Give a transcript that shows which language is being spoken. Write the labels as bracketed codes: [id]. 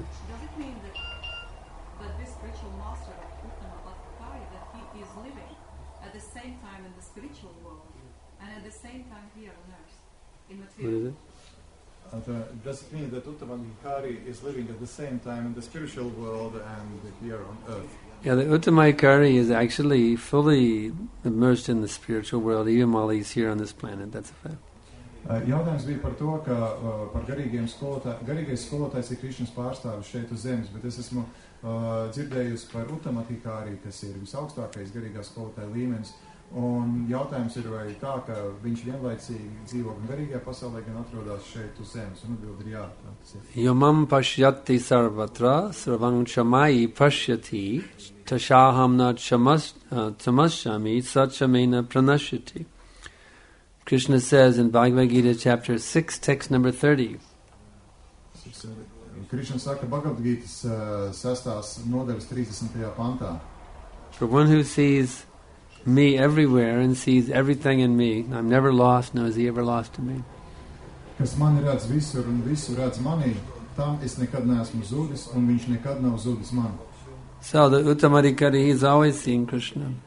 [en] Does it mean that this spiritual master of Uttama Bhattakari, that he is living at the same time in the spiritual world and at the same time here on earth, in material? What is it? Does it mean that Uttama Bhattakari is living at the same time in the spiritual world and here on earth? Yeah, the Uttama Bhattakari is actually fully immersed in the spiritual world, even while he's here on this planet. That's a fact. [lv] Jautājums bija par to, ka par garīgiem skolotājiem, garīgais skolotājs ir Krišnas pārstāvis šeit uz zemes, bet es esmu dzirdējusi par Uttama Bhattakari, kas ir visaugstākais garīgā skolotāja līmenis, un jautājums ir vai tā, ka viņš vienlaicīgi dzīvo gan garīgajā pasaulē, gan atrodas šeit uz zemes, un atbild ir jā. [sa] Jo mam pašyati sarvatra, sarvam ca mayi pašyati, tashaham na camashyami, sacame na pranashyati. [en] Krishna says in Bhagavad Gita chapter 6, text number 30. [lv] Krishna saka Bhagavad Gita sestās nodaļas 30. Pantā. [en] For one who sees me everywhere and sees everything in me, I'm never lost, nor is he ever lost to me. [lv] Kas mani redz visur un visu redz mani, tam es nekad neesmu zūdis un viņš nekad nav zūdis man. [en] So the Uttama Bhattakari, he is always seeing Krishna.